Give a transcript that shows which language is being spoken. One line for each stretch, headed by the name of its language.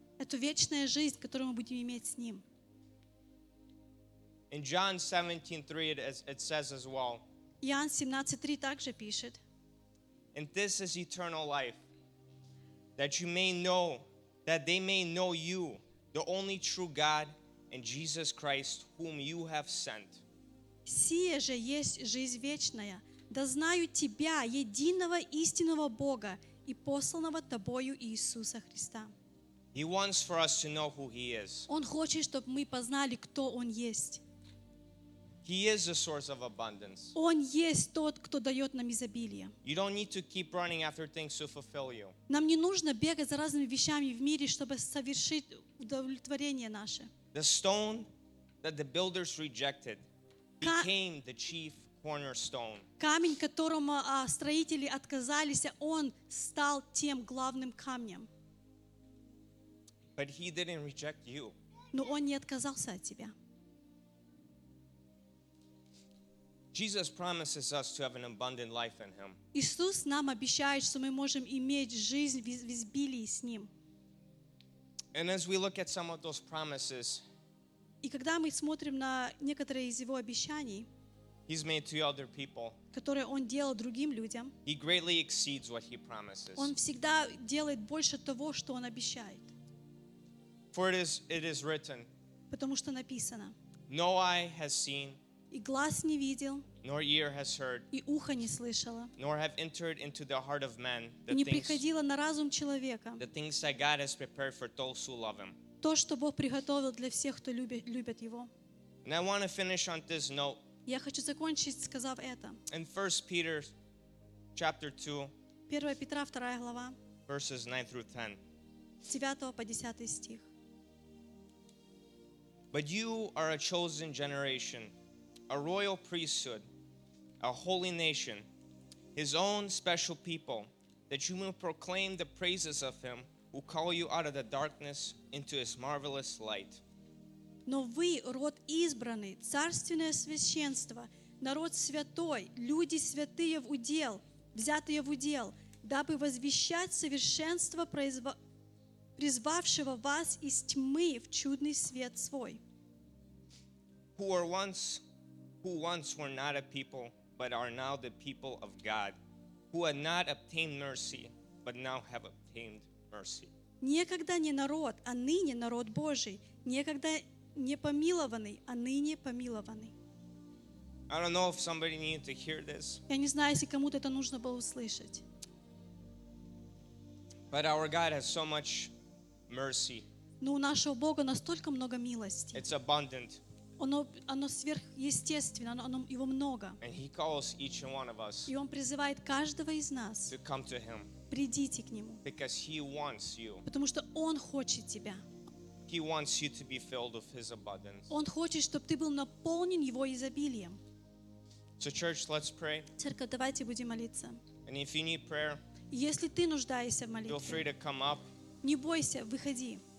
Russian: Это вечная жизнь, которую мы будем иметь с Ним.
English: In John 17:3, it says as well.
Russian: Иоанн 17:3 также пишет.
English: And this is eternal life, that you may know, that they may know you, the only true God, and Jesus Christ, whom you have sent.
Russian: Сие же есть жизнь вечная, да знаю Тебя, единого истинного Бога и посланного Тобою Иисуса Христа.
English: He wants for us to know who He is.
Russian: Он хочет, чтобы мы познали, кто Он есть.
English: He is the source of abundance.
Russian: Он есть тот, кто дает нам изобилие.
English: You don't need to keep running after things to fulfill you.
Russian: Нам не нужно бегать за разными вещами в мире, чтобы совершить удовлетворение наше.
English: The stone that the builders rejected became the chief cornerstone.
Russian: Камень, которому строители отказались, он стал тем главным камнем.
English: But he didn't reject you.
Russian: Но он не отказался от тебя.
English: Jesus promises us to have an abundant life in him.
Russian: Иисус нам обещает, что мы можем иметь жизнь в изобилии с ним.
English: And as we look at some of those promises,
Russian: и когда мы смотрим на некоторые из его обещаний,
English: he's made to other people,
Russian: которые он делал другим людям,
English: he greatly exceeds what he promises.
Russian: Он всегда делает больше того, что он обещает.
English: For it is written,
Russian: потому что написано,
English: no eye has seen,
Russian: и глаз не видел,
English: nor ear has heard,
Russian: и ухо не слышало,
English: nor have entered into the heart of man,
Russian: и не приходило на разум человека,
English: the things that God has prepared for those who love him.
Russian: То, что Бог приготовил для всех, кто любит Его.
English: And I want to finish on this note.
Russian: Я хочу закончить, сказав это.
English: In 1 Peter chapter 2,
Russian: 1 Петра, 2 глава,
English: verses 9 through 10,
Russian: с 9 по 10 стих.
English: But you are a chosen generation, a royal priesthood, a holy nation, his own special people, that you may proclaim the praises of him who called you out of the darkness into his marvelous light.
Russian: Но ви род избраний, царственне священство, народ святой, люди святые в удел, взятые в удел, дабы возвещать совершенство призвавшего вас из тьмы в чудный свет свой.
English: Who once were not a people, but are now the people of God, who had not obtained mercy, but now have obtained mercy.
Russian: Некогда не народ, а ныне народ Божий, некогда не помилованный, а ныне помилованный.
English: I don't know if somebody needed to hear this.
Russian: Я не знаю, если кому-то это нужно было услышать.
English: But our God has so much mercy.
Russian: Но у нашего Бога настолько много милости.
English: It's abundant.
Russian: Оно сверхъестественно, оно его много.
English: And he calls each one of us.
Russian: И он призывает каждого из нас.
English: To come to him.
Russian: Придите к нему.
English: Because he wants you.
Russian: Потому что он хочет тебя.
English: He wants you to be filled with his abundance.
Russian: Он хочет, чтобы ты был наполнен его изобилием.
English: So church, let's pray.
Russian: Церковь, давайте будем молиться.
English: And if you need prayer,
Russian: если ты нуждаешься в молитве,
English: feel free to come up.
Russian: Не бойся, выходи.